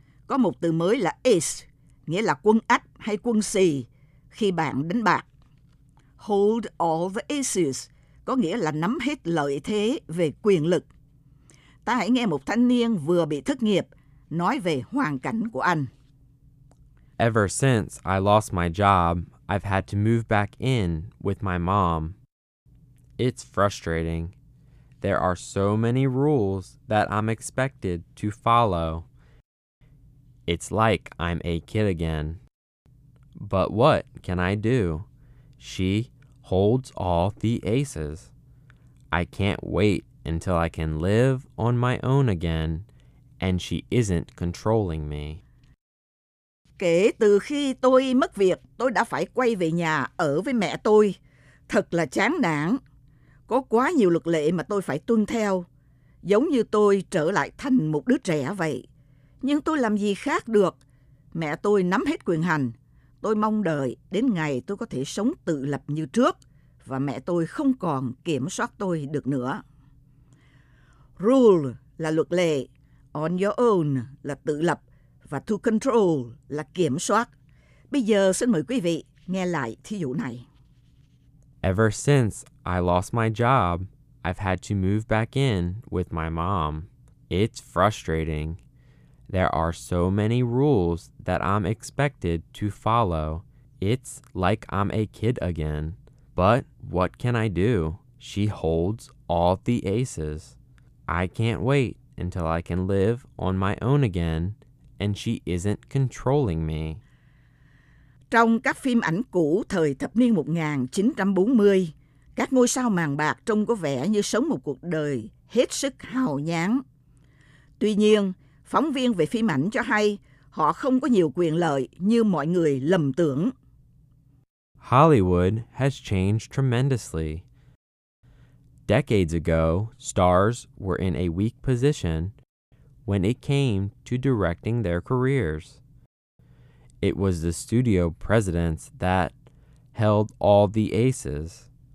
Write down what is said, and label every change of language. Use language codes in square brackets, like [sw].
[vi] Có một từ mới là ace, nghĩa là quân ách hay quân xì khi bạn đánh bạc. [en] Hold all the aces [vi] có nghĩa là nắm hết lợi thế về quyền lực. Ta hãy nghe một thanh niên vừa bị thất nghiệp nói về hoàn cảnh của anh. [en] Ever since I lost my job, I've had to move back in with my mom. It's frustrating. There are so many rules that I'm expected to follow. It's like I'm a kid again. But what can I do? She holds all the aces. I can't wait until I can live on my own again, and she isn't controlling me. [vi] Kể từ khi tôi mất việc, tôi đã phải quay về nhà ở với mẹ tôi. Thật là chán nản. Có quá nhiều luật lệ mà tôi phải tuân theo. Giống như tôi trở lại thành một đứa trẻ vậy. Nhưng tôi làm gì khác được? Mẹ tôi nắm hết quyền hành. Tôi mong đợi đến ngày tôi có thể sống tự lập như trước và mẹ tôi không còn kiểm soát tôi được nữa. Rule là luật lệ. [en] On your own [vi] là tự lập. Và [en] to control [vi] là kiểm soát. Bây giờ xin mời quý vị nghe lại thí dụ này. [en] Ever since I lost my job, I've had to move back in with my mom. It's frustrating. There are so many rules that I'm expected to follow. It's like I'm a kid again. But what can I do? She holds all the aces. I can't wait until I can live on my own again, and she isn't controlling me. [vi] Trong các phim ảnh cũ thời thập niên 1940, các ngôi sao màn bạc trông có vẻ như sống một cuộc đời hết sức hào nhoáng. Tuy nhiên, phóng viên về phim ảnh cho hay họ không có nhiều quyền lợi như mọi người lầm tưởng. [en] Hollywood has changed tremendously. Decades ago, stars were in a weak position when it came to directing their careers. It was the studio presidents that held all the aces.